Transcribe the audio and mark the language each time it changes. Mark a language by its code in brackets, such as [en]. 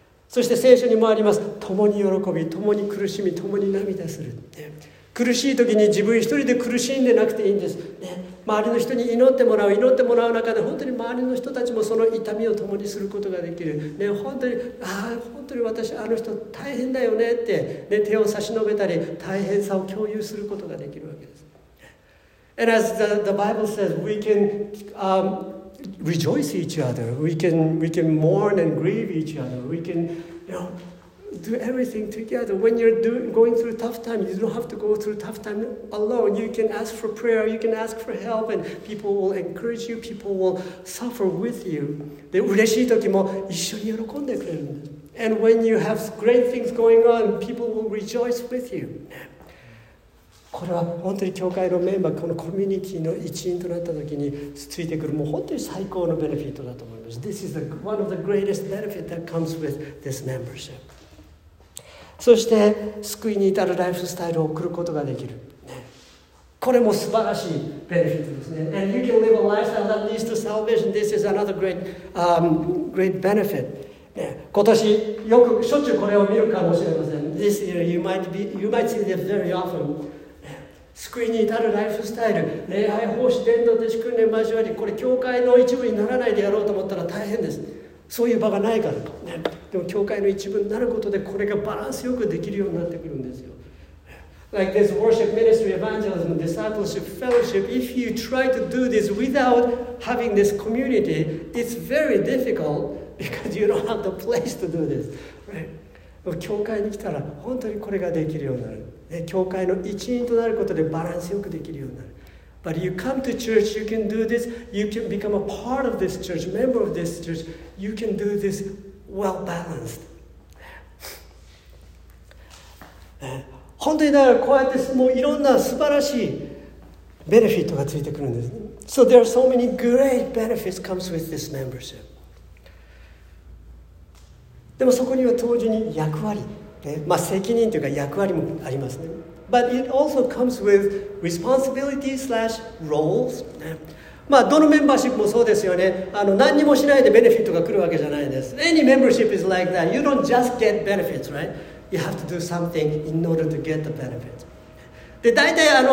[ja] そして聖書にもあります。共に喜び、共に苦しみ、共に涙する。ね、苦しい時に自分一人で苦しんでなくていいんです、ね。周りの人に祈ってもらう、祈ってもらう中で本当に周りの人たちもその痛みを共にすることができる。ね、本当に、本当に私、あの人大変だよねって、ね、手を差し伸べたり、大変さを共有することができるわけです。 [en] And as the Bible says, we can、rejoice each other. We can mourn and grieve each other. We can, you know, do everything together. When you're going through a tough time, you don't have to go through a tough time alone. You can ask for prayer. You can ask for help. And people will encourage you. People will suffer with you. [ja] で、嬉しい時も一緒に喜んでくれるんです。 [en] And when you have great things going on, people will rejoice with you. [ja] これは本当に教会のメンバー、このコミュニティの一員となったときについてくる、もう本当に最高のベネフィットだと思います。 [en] This is one of the greatest benefit that comes with this membership. [ja] そして、救いに至るライフスタイルを送ることができる。これも素晴らしいベネフィットですね。 [en] And you can live a lifestyle that leads to salvation. This is another great,、great benefit. [ja] 今年、よくしょっちゅうこれを見るかもしれません。 [en] This year, you might see this very often. [ja] 救いに至るライフスタイル、礼拝奉仕伝道弟子訓練交わり、これ教会の一部にならないでやろうと思ったら大変です。そういう場がないから、ね、でも教会の一部になることでこれがバランスよくできるようになってくるんですよ。 [en] Like this worship, ministry, evangelism, discipleship, fellowship, if you try to do this without having this community, it's very difficult because you don't have the place to do this、right? [ja] でも教会に来たら本当にこれができるようになる。教会の一員となることでバランスよくできるようになる。 [en] But you come to church, you can do this, you can become a part of this church, member of this church, you can do this well balanced. [ja] 本当にだからこうやってもういろんな素晴らしいベネフィットがついてくるんです。 [en] So there are so many great benefits comes with this membership. [ja] でもそこには同時に役割。まあ、責任というか役割もありますね。 [en] But it also comes with responsibility slash roles. [ja] まあどのメンバーシップもそうですよね。何にもしないでベネフィットが来るわけじゃないです。 [en] Any membership is like that. You don't just get benefits, right? You have to do something in order to get the benefits. [ja] で、大体